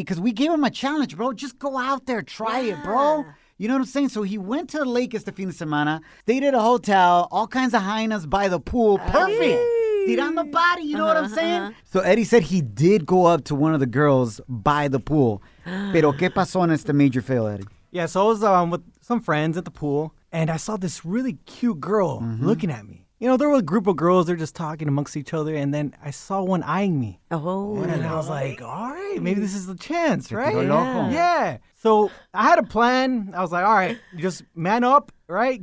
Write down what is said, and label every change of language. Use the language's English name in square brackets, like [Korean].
[English] Because we gave him a challenge, bro. Just go out there. Try it, bro. You know what I'm saying? So he went to the lake [Spanish] este fin de semana, [English] stayed at a hotel, all kinds of hyenas by the pool. Perfect. Tirando body, you know what I'm saying? So Eddie said he did go up to one of the girls by the pool. [Spanish] Pero ¿qué pasó en este major fail, Eddie? [English] Yeah, so I was with some friends at the pool. And I saw this really cute girl looking at me. You know, there were a group of girls. They're just talking amongst each other. And then I saw one eyeing me. Oh. And I was like, all right, maybe this is the chance, right? Yeah. So I had a plan. I was like, all right, just man up, right?